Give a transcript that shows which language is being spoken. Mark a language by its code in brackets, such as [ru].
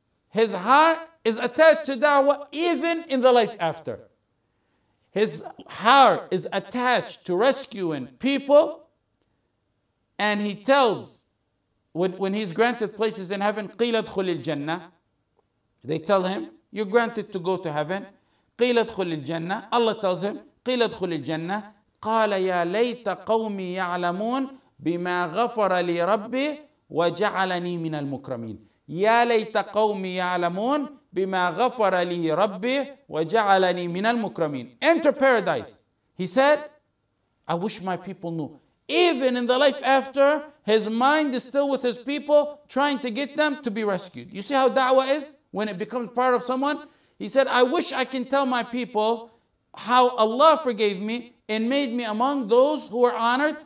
[en] His heart is attached to da'wah even in the life after. His heart is attached to rescuing people, and he tells, when he's granted places in heaven, [ar] قِيلَ ادْخُلِ الْجَنَّةِ, [en] they tell him, you're granted to go to heaven. [ar] قِيلَ ادْخُلِ الْجَنَّةِ, [en] Allah tells him, [ar] قِيلَ ادْخُلِ الْجَنَّةِ, قَالَ يَا لَيْتَ قَوْمِي يَعْلَمُونَ بِمَا غَفَرَ لِي رَبِّي وَجَعَلَنِي مِنَ الْمُكْرَمِينَ. يَا لَيْتَ قَوْمِي يَعْلَمُونَ بِمَا غَفَرَ لِي رَبِّي وَجَعَلَنِي مِنَ الْمُكْرَمِينَ. [en] Enter paradise. He said, I wish my people knew. Even in the life after, his mind is still with his people, trying to get them to be rescued. You see how da'wah is when it becomes part of someone? He said, I wish I can tell my people how Allah forgave me and made me among those who are honored.